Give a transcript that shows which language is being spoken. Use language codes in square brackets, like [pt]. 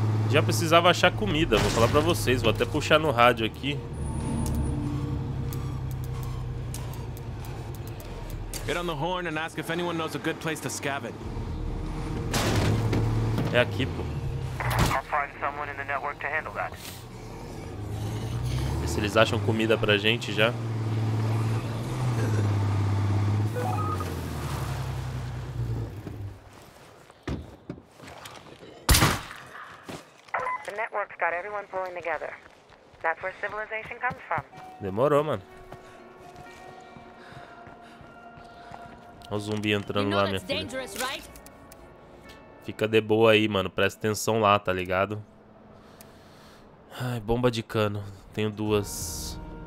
[pt] Já precisava achar comida, vou falar pra vocês. Vou até puxar no rádio aqui. [en] Get on the horn and ask if anyone knows a good place to scavenge. [pt] É aqui, pô. [en] I'll find someone in the network to handle that. [pt] Ver se eles acham comida pra gente já. [en] The network's got everyone pulling together. That's where civilization comes from. [pt] Demorou, mano. Olha o zumbi entrando lá, minha filha. Fica de boa aí, mano. Presta atenção lá, tá ligado? Ai, bomba de cano. Tenho duas.